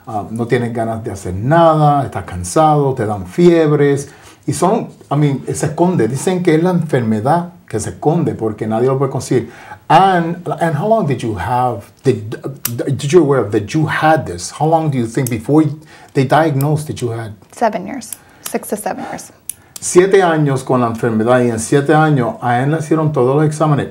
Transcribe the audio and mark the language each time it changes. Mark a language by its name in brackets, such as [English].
[Spanish] No tienes ganas de hacer nada, estás cansado, te dan fiebres. Y son, se esconde. Dicen que es la enfermedad que se esconde porque nadie lo puede conseguir. [English] And how long did you have, did you aware of that you had this? How long do you think before they diagnosed that you had? 7 years. 6 to 7 years. [Spanish] 7 años con la enfermedad, y en 7 años a él le hicieron todos los exámenes.